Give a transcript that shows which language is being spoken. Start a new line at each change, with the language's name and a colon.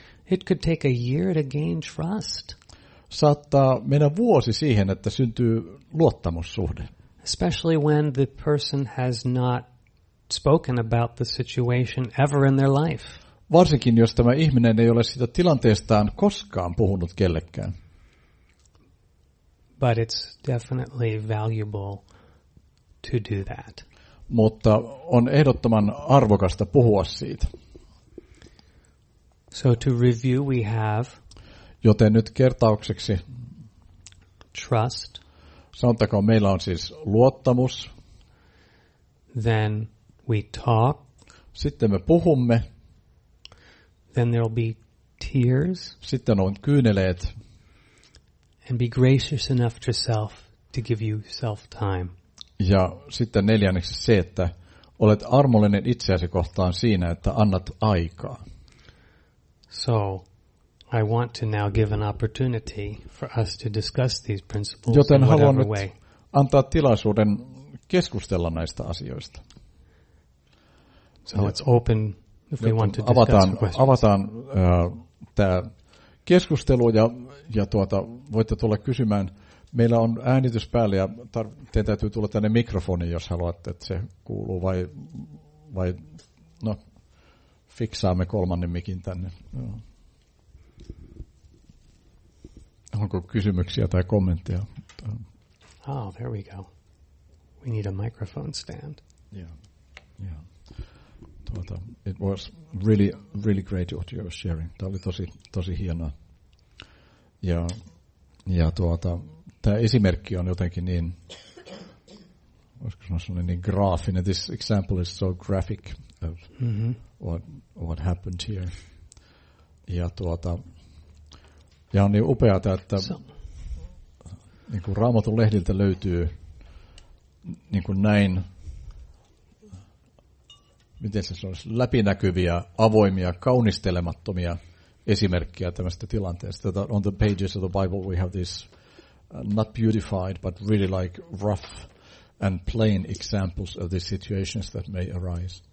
English: It could take a year to gain trust.
Finnish: Saattaa mennä vuosi siihen, että syntyy luottamussuhde.
English: Especially when the person has not spoken about the situation ever in their life.
Finnish: Varsinkin jos tämä ihminen ei ole sitä tilanteestaan koskaan puhunut kellekään.
English: But it's definitely valuable to do that.
Finnish: Mutta on ehdottoman arvokasta puhua siitä.
English: So to review we have.
Finnish: Joten nyt kertaukseksi.
English: Trust.
Finnish: Sanottakoon, meillä on siis luottamus.
English: Then we talk.
Finnish: Sitten me puhumme.
English: Then there'll be tears.
Finnish: Sitten on kyyneleet.
English: And be gracious enough to self to give you self time.
Finnish: Ja sitten neljänneksi se, että olet armollinen itseäsi kohtaan siinä, että annat aikaa.
English: So I want to now give an opportunity for us to discuss these principles.
Finnish: Joten haluan nyt antaa tilaisuuden keskustella näistä asioista.
English: So it's open if we want to discuss
Finnish: avataan,
English: questions.
Finnish: Avataan tämä keskustelu ja tuota, voitte tulla kysymään. Meillä on äänitys päällä ja teidän täytyy tulla tänne mikrofoniin, jos haluatte, että se kuuluu vai no, fiksaamme kolmannen mikin tänne. Joo. Onko kysymyksiä tai kommentteja?
English: Oh, there we go. We need a microphone stand. Yeah. Tuota, it was really, really great what you were sharing.
Finnish: Tämä oli tosi, tosi hienoa. Ja tuota, tämä esimerkki on jotenkin niin, voisiko sanoa sellainen niin graafinen.
English: This example is so graphic of what happened here.
Finnish: Ja tuota, ja on niin upeata, että niin kuin Raamatun lehdiltä löytyy niin kuin näin, miten se olisi, läpinäkyviä, avoimia, kaunistelemattomia esimerkkejä tämmöistä tilanteesta.
English: That on the pages of the Bible we have this not beautified, but really like rough and plain examples of the situations that may arise.